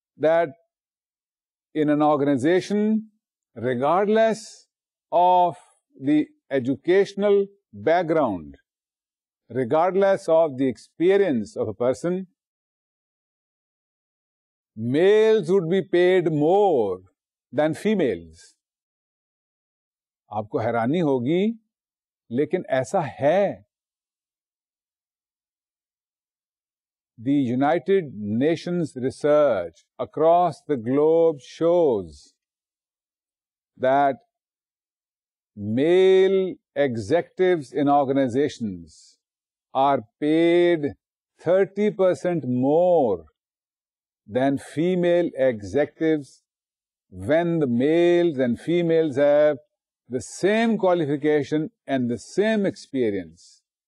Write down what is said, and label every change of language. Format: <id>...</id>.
<en>That in an organization regardless of the educational background, regardless of the experience of a person, males would be paid more than females.</en> <ur>آپ کو حیرانی ہوگی لیکن ایسا ہے.</ur> <en>The United Nations research across the globe shows that male executives in organizations are paid 30% more than female executives when the males and females have the same qualification and the same experience.</en>